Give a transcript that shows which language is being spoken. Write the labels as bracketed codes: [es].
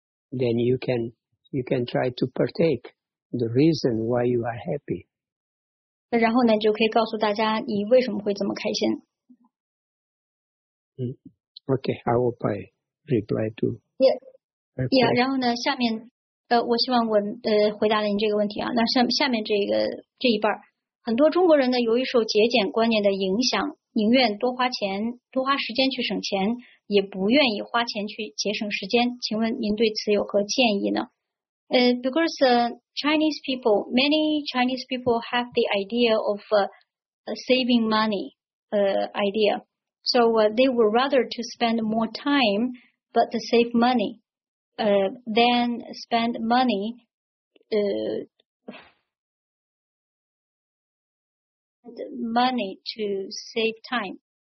[en] Then you can try to partake the reason why you are happy. [zh] 然后呢，就可以告诉大家你为什么会这么开心。 [en] Okay, I will pay reply to. [zh] Yeah, 然后呢，下面我希望我回答了你这个问题啊。那下面这一半，很多中国人呢，由于受节俭观念的影响，宁愿多花钱、多花时间去省钱，也不愿意花钱去节省时间。请问您对此有何建议呢？ [en] Because Chinese people, many Chinese people have the idea of saving money idea. So they would rather to spend more time but to save money than spend money to save time.